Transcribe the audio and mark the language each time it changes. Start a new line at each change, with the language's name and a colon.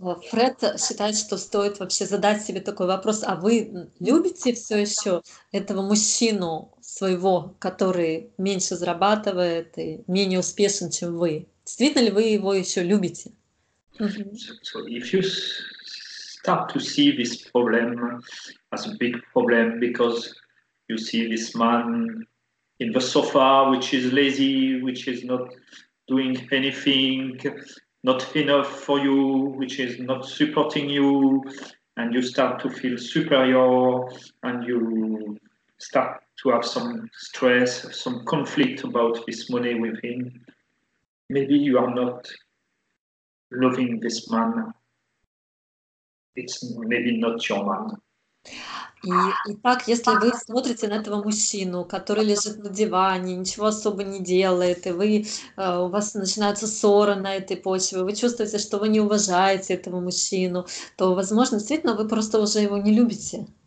Russian: Фред считает, что стоит вообще задать себе такой вопрос: а вы любите все еще этого мужчину своего, который меньше зарабатывает и менее успешен, чем вы? Действительно ли вы его еще любите?
English: So if you start to see this problem as a big problem because you see this man in the sofa, which is lazy, which is not doing anything, not enough for you, which is not supporting you, and you start to feel superior, and you start to have some stress, some conflict about this money with him, maybe you are not loving this man. It's maybe not your man.
Russian: Итак, если вы смотрите на этого мужчину, который лежит на диване, ничего особо не делает, и у вас начинаются ссоры на этой почве, вы чувствуете, что вы не уважаете этого мужчину, то, возможно, действительно, вы просто уже его не любите.